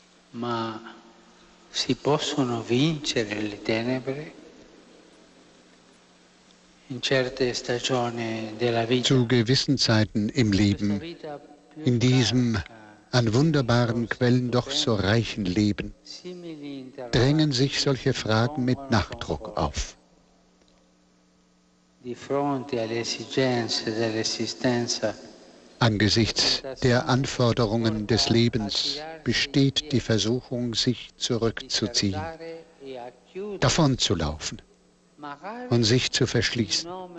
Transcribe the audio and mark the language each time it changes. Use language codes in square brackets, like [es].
[it] Ma si possono vincere le tenebre? In certe stagioni della vita. [de] Zu gewissen Zeiten im Leben, in diesem an wunderbaren Quellen doch so reichen Leben, drängen sich solche Fragen mit Nachdruck auf. [it] Di fronte alle esigenze dell'esistenza. [de] Angesichts der Anforderungen des Lebens besteht die Versuchung, sich zurückzuziehen, davonzulaufen und sich zu verschließen.